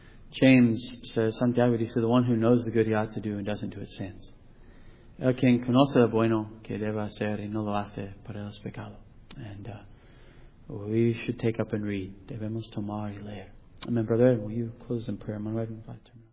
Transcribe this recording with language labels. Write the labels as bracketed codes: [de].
[en] James says, [es] Santiago dice, [en] the one who knows the good he ought to do and doesn't do it sins. [es] El quien conoce lo bueno que debe hacer y no lo hace, para él es pecado. [en] And we should take up and read. [es] Debemos tomar y leer. [en] Amen, brother. Will you close in prayer? I'm going to invite you.